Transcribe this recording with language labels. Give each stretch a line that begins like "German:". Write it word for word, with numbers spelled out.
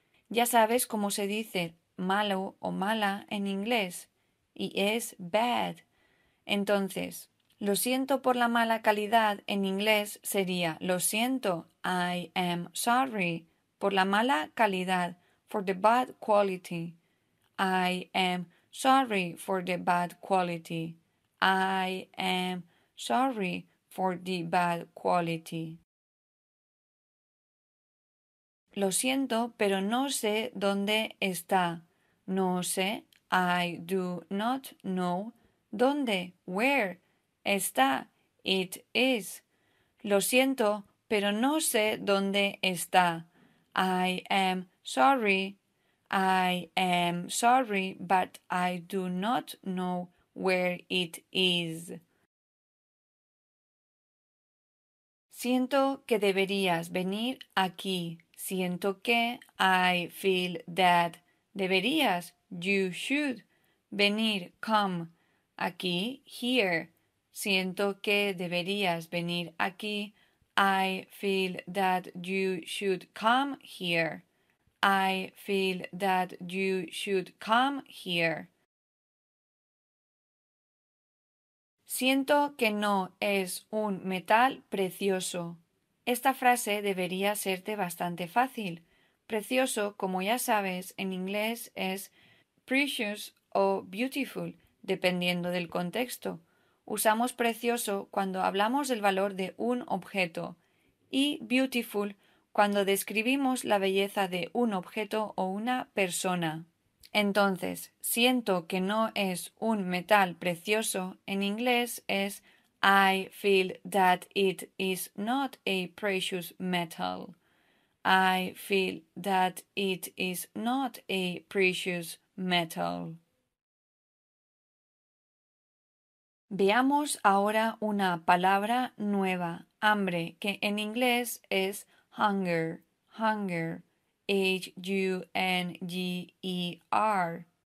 Spanish: Ya sabes cómo se dice malo o mala en inglés. Y es bad. Entonces, lo siento por la mala calidad en inglés sería lo siento,
English: I am sorry,
Spanish: por la mala calidad.
English: For the bad quality. I am sorry for the bad quality. I am sorry for the bad quality.
Spanish: Lo siento, pero no sé dónde está. No sé.
English: I do not know.
Spanish: ¿Dónde?
English: Where?
Spanish: Está.
English: It is.
Spanish: Lo siento, pero no sé dónde está.
English: I am sorry, I am sorry, but I do not know where it is.
Spanish: Siento que deberías venir aquí. Siento que
English: I feel that
Spanish: deberías,
English: you should,
Spanish: venir,
English: come,
Spanish: aquí,
English: here.
Spanish: Siento que deberías venir aquí.
English: I feel that you should come here. I feel that you should come here.
Spanish: Siento que no es un metal precioso. Esta frase debería serte bastante fácil. Precioso, como ya sabes, en inglés es precious o beautiful, dependiendo del contexto. Usamos precioso cuando hablamos del valor de un objeto y beautiful cuando describimos la belleza de un objeto o una persona. Entonces, siento que no es un metal precioso en inglés es
English: I feel that it is not a precious metal. I feel that it is not a precious metal.
Spanish: Veamos ahora una palabra nueva, hambre, que en inglés es hunger, hunger, H U N G E R.